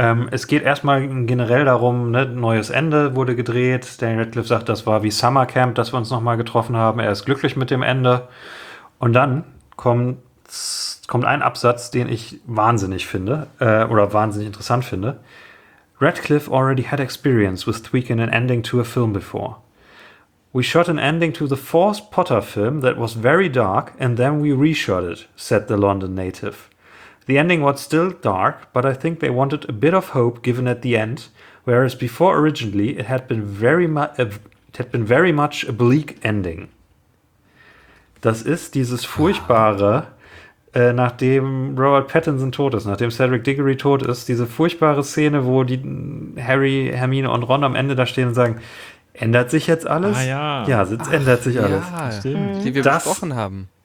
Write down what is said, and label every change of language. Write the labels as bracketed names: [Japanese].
[German] Es geht erstmal generell darum, ne, neues Ende wurde gedreht. Daniel Radcliffe sagt, das war wie Summer Camp, dass wir uns nochmal getroffen haben. Er ist glücklich mit dem Ende. Und dann kommt ein Absatz, den ich wahnsinnig finde, oder wahnsinnig interessant finde. [English] Radcliffe already had experience with tweaking an ending to a film before. We shot an ending to the fourth Potter film that was very dark, and then we reshot it, said the London native. The ending was still dark, but I think they wanted a bit of hope given at the end, whereas before originally it had been very much a bleak ending. [German] Das ist dieses furchtbare, nachdem Robert Pattinson tot ist, nachdem Cedric Diggory tot ist, diese furchtbare Szene, wo die Harry, Hermine und Ron am Ende da stehen und sagen, ändert sich jetzt alles? Ah, ja. Ja, jetzt ändert sich alles. Ja, stimmt. Die wir besprochen haben.